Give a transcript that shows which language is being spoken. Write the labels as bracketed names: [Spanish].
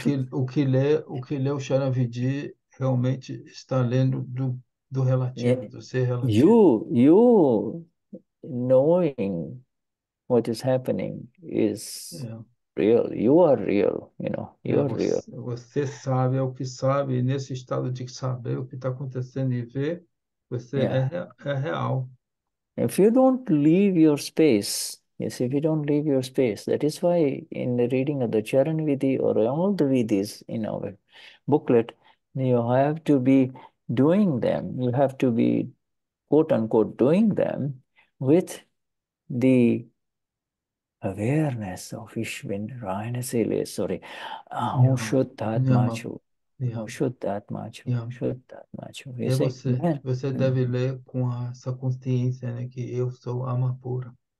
[Portuguese] O que lê o Charanvidhi realmente está lendo do relativo, do ser relativo. [English] You knowing what is happening is real, you are real, you know, you are real. [Portuguese] Você sabe é o que sabe, e nesse estado de saber o que está acontecendo e ver, você é real. [English] If you don't leave your space, yes, if you don't leave your space, that is why in the reading of the Charanvidhi or all the Vidhis in our booklet, you have to be doing them, you have to be quote unquote doing them with the awareness of Ishvindrayana Sele, sorry, Shuddhatmachu. [Portuguese] E você deve ler com essa consciência, né, que eu sou alma pura.